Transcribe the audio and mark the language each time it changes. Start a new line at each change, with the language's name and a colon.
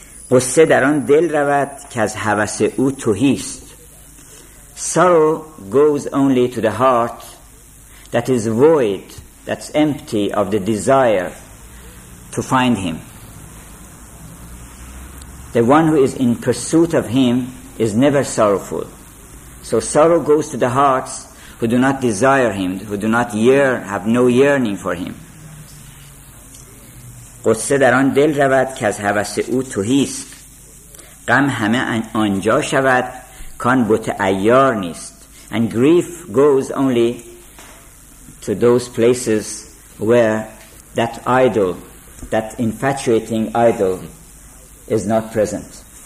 Persian: غصه در آن دل رود که از هوس او توهی است.
English: Sorrow goes only to the heart that is void, that's empty of the desire to find him. The one who is in pursuit of him is never sorrowful. So sorrow goes to the hearts who do not desire him, who do not yearn, have no yearning for him.
Persian: غصه در آن دل رود که از هوس او توهی است. غم همه آنجا شود کان بت عیار نیست.
English: And grief goes only to those places where that idol, that infatuating idol, is not present.